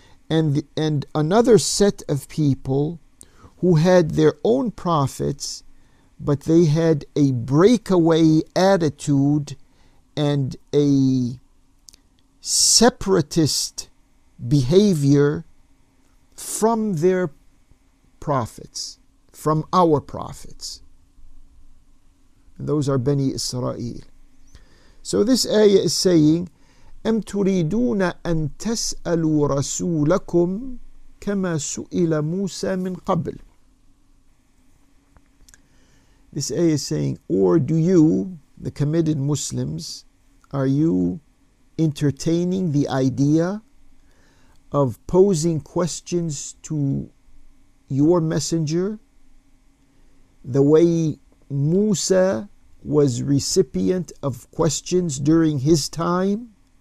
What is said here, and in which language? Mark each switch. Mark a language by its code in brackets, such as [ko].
[en] and another set of people who had their own prophets, but they had a breakaway attitude and a separatist behavior from their prophets, from our prophets. Those are Bani Isra'eel. So this ayah is saying, [ar] أَمْ تُرِيدُونَ أَن تَسْأَلُوا رَسُولَكُمْ كَمَا سُئِلَ مُوسَى مِنْ قَبْلِ. [en] This ayah is saying, or do you, the committed Muslims, are you entertaining the idea of posing questions to your messenger the way Musa was recipient of questions during his time?